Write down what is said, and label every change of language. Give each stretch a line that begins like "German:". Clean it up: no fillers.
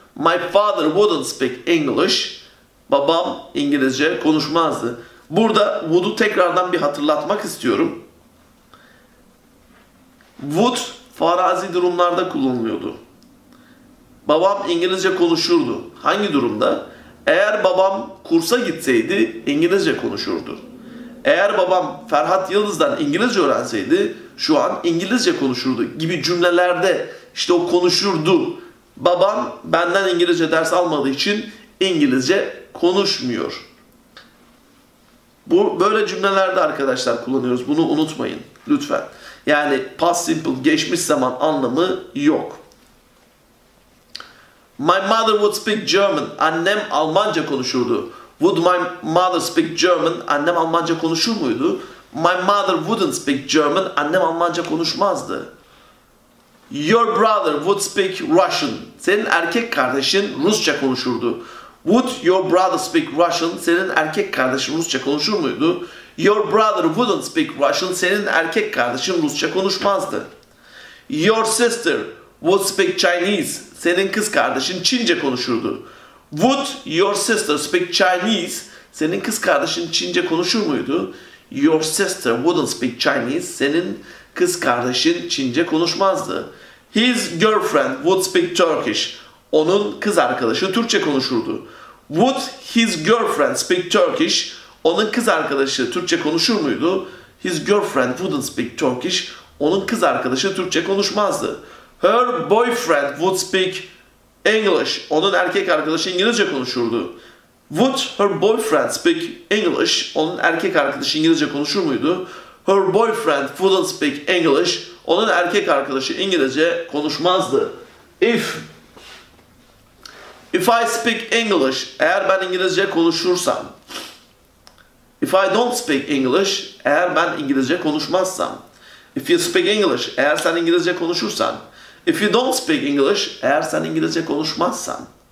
English: My father wouldn't speak English.
Turkish: Babam İngilizce konuşmazdı. Burada would'u tekrardan bir hatırlatmak istiyorum. Would farazi durumlarda kullanılıyordu. Babam İngilizce konuşurdu. Hangi durumda? Eğer babam kursa gitseydi İngilizce konuşurdu. Eğer babam Ferhat Yıldız'dan İngilizce öğrenseydi şu an İngilizce konuşurdu gibi cümlelerde işte o konuşurdu. Babam benden İngilizce ders almadığı için İngilizce konuşmuyor. Bu böyle cümlelerde arkadaşlar kullanıyoruz. Bunu unutmayın lütfen. Yani past simple geçmiş zaman anlamı yok.
English: My mother would speak German.
Turkish: Annem Almanca konuşurdu.
English: Would my mother speak German?
Turkish: Annem Almanca konuşur muydu?
English: My mother wouldn't speak German.
Turkish: Annem Almanca konuşmazdı.
English: Your brother would speak Russian.
Turkish: Senin erkek kardeşin Rusça konuşurdu.
English: Would your brother speak Russian?
Turkish: Senin erkek kardeşin Rusça konuşur muydu?
English: Your brother wouldn't speak Russian.
Turkish: Senin erkek kardeşin Rusça konuşmazdı.
English: Your sister would speak Chinese.
Turkish: Senin kız kardeşin Çince konuşurdu.
English: Would your sister speak Chinese?
Turkish: Senin kız kardeşin Çince konuşur muydu?
English: Your sister wouldn't speak Chinese.
Turkish: Senin kız kardeşin Çince konuşmazdı.
English: His girlfriend would speak Turkish.
Turkish: Onun kız arkadaşı Türkçe konuşurdu.
English: Would his girlfriend speak Turkish?
Turkish: Onun kız arkadaşı Türkçe konuşur muydu?
English: His girlfriend wouldn't speak Turkish.
Turkish: Onun kız arkadaşı Türkçe konuşmazdı.
English: Her boyfriend would speak English.
Turkish: Onun erkek arkadaşı İngilizce konuşurdu.
English: Would her boyfriend speak English?
Turkish: Onun erkek arkadaşı İngilizce konuşur muydu?
English: Her boyfriend wouldn't speak English.
Turkish: Onun erkek arkadaşı İngilizce konuşmazdı.
English: If I speak English,
Turkish: eğer ben İngilizce konuşursam.
English: If I don't speak English,
Turkish: eğer ben İngilizce konuşmazsam.
English: If you speak English,
Turkish: eğer sen İngilizce konuşursan.
English: If you don't speak English,
Turkish: eğer sen İngilizce konuşmazsan.